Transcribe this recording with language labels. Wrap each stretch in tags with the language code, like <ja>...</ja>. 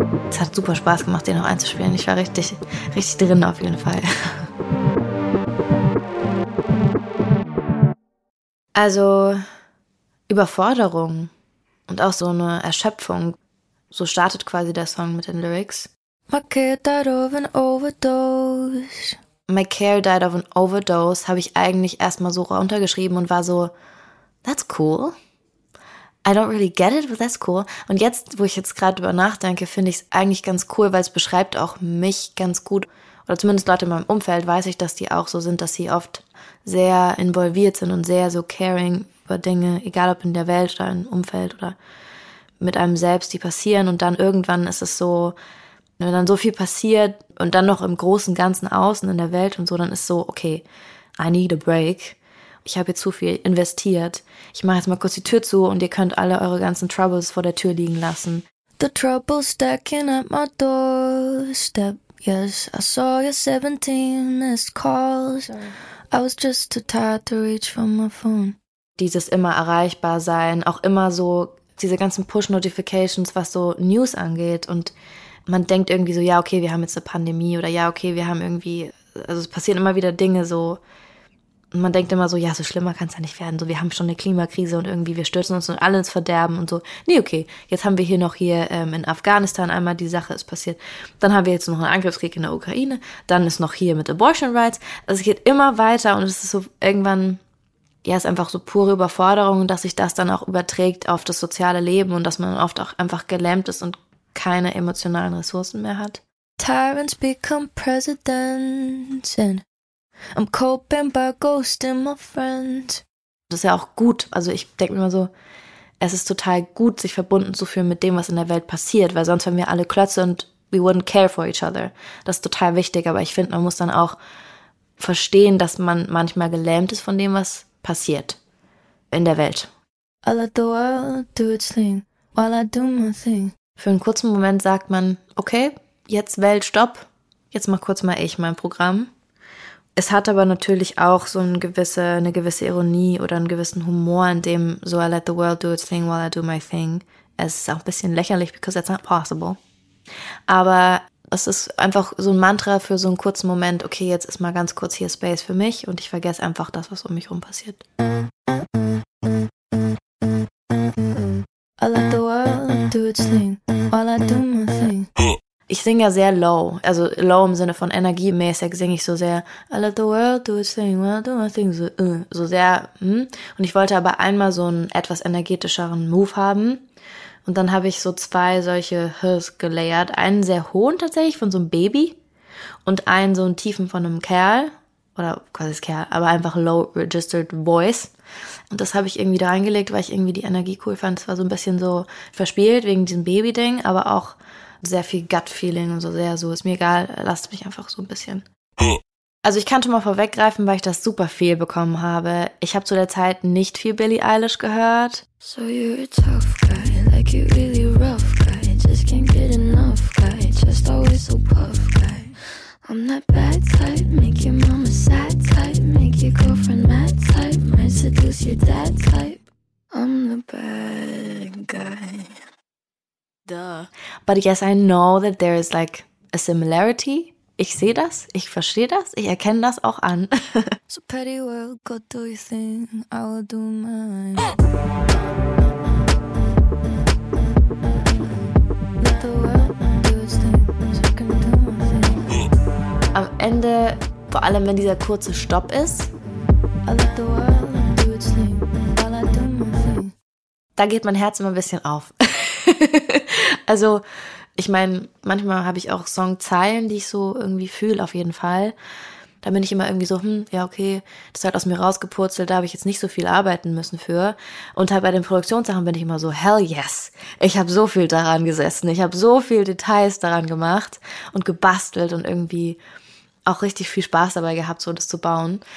<de>Es hat super Spaß gemacht, den auch einzuspielen. Ich war richtig, richtig drin auf jeden Fall. Also Überforderung und auch so eine Erschöpfung. So startet quasi der Song mit den Lyrics.</de> <en>My kid died of an overdose. My care died of an overdose</en> <de>habe ich eigentlich erstmal so runtergeschrieben und war so,</de> <en>that's cool. I don't really get it, but that's cool.</en> <de>Und jetzt, wo ich jetzt gerade drüber nachdenke, finde ich es eigentlich ganz cool, weil es beschreibt auch mich ganz gut. Oder zumindest Leute in meinem Umfeld weiß ich, dass die auch so sind, dass sie oft sehr involviert sind und sehr so caring über Dinge, egal ob in der Welt oder im Umfeld oder mit einem selbst, die passieren und dann irgendwann ist es so, wenn dann so viel passiert und dann noch im großen Ganzen außen in der Welt und so, dann ist so, okay,</de> <en>I need a break.</en> <de>ich habe jetzt zu viel investiert. Ich mache jetzt mal kurz die Tür zu und ihr könnt alle eure ganzen Troubles vor der Tür liegen lassen.</de> <en>The trouble stacking at my doorstep. Yes, I saw your 17 missed calls. I was just too tired to reach for my phone.</en> <de>Dieses immer erreichbar sein, auch immer so diese ganzen Push-Notifications, was so News angeht. Und man denkt irgendwie so, ja, okay, wir haben jetzt eine Pandemie oder ja, okay, wir haben irgendwie, also es passieren immer wieder Dinge so. Und man denkt immer so, ja, so schlimmer kann es ja nicht werden. So, wir haben schon eine Klimakrise und irgendwie wir stürzen uns und alle ins Verderben und so. Nee, okay, jetzt haben wir hier noch hier in Afghanistan einmal die Sache ist passiert. Dann haben wir jetzt noch einen Angriffskrieg in der Ukraine. Dann ist noch hier mit Abortion Rights. Also es geht immer weiter und es ist so irgendwann, ja, es ist einfach so pure Überforderung, dass sich das dann auch überträgt auf das soziale Leben und dass man oft auch einfach gelähmt ist und keine emotionalen Ressourcen mehr hat.</de> <en>Tyrants become presidents and I'm coping by ghosting my friend.</en> <de>Das ist ja auch gut. Also ich denke mir immer so, es ist total gut, sich verbunden zu fühlen mit dem, was in der Welt passiert, weil sonst wären wir alle Klötze und</de> <en>we wouldn't care for each other.</en> <de>Das ist total wichtig, aber ich finde, man muss dann auch verstehen, dass man manchmal gelähmt ist von dem, was passiert in der Welt.</de> <en>I let the world do its thing while I do my thing.</en> <de>Für einen kurzen Moment sagt man, okay, jetzt Welt, stopp. Jetzt mach kurz mal ich mein Programm. Es hat aber natürlich auch so eine gewisse Ironie oder einen gewissen Humor, in dem so,</de> <en>I let the world do its thing while I do my thing.</en> <de>Es ist auch ein bisschen lächerlich,</de> <en>because that's not possible.</en> <de>Aber es ist einfach so ein Mantra für so einen kurzen Moment, okay, jetzt ist mal ganz kurz hier Space für mich und ich vergesse einfach das, was um mich rum passiert.</de> <en>I let the world do its thing while I do my thing.</en> <de>Ich singe ja sehr low, also low im Sinne von energiemäßig singe ich so sehr</de> <en>I let the world do its thing, while I do my thing,</en> <de>so sehr, Und ich wollte aber einmal so einen etwas energetischeren Move haben und dann habe ich so zwei solche Hs gelayert, einen sehr hohen tatsächlich von so einem Baby und einen so einen tiefen von einem Kerl oder quasi das Kerl, aber einfach</de> <en>low registered voice.</en> <de>Und das habe ich irgendwie da reingelegt, weil ich irgendwie die Energie cool fand. Es war so ein bisschen so verspielt wegen diesem Baby-Ding, aber auch sehr viel Gut-Feeling und so sehr so, ist mir egal, lasst mich einfach so ein bisschen. Also ich kann schon mal vorweggreifen, weil ich das super viel bekommen habe. Ich habe zu der Zeit nicht viel Billie Eilish gehört.</de> <en>So you're a tough guy, like you really rough guy, just can't get enough guy, just always so puff guy. I'm that bad type, make your mama sad type, make your girlfriend mad type, might seduce your dad type. I'm the bad guy. Duh. But yes, I know that there is like a similarity.</en> <de>Ich sehe das, ich verstehe das, ich erkenne das auch an.</de> <en>So petty world, go do your thing, I will do mine. Let the world do its thing, so I can do my thing.</en> <de>Am Ende, vor allem wenn dieser kurze Stopp ist,</de> <en>I let the world do its thing, while I do my thing.</en> <de>Da geht mein Herz immer ein bisschen auf. Also, ich meine, manchmal habe ich auch Songzeilen, die ich so irgendwie fühle, auf jeden Fall. Da bin ich immer irgendwie so, ja, okay, das hat aus mir rausgepurzelt, da habe ich jetzt nicht so viel arbeiten müssen für. Und halt bei den Produktionssachen bin ich immer so,</de> <en>hell yes,</en> <de>ich habe so viel daran gesessen, ich habe so viel Details daran gemacht und gebastelt und irgendwie auch richtig viel Spaß dabei gehabt, so das zu bauen.</de>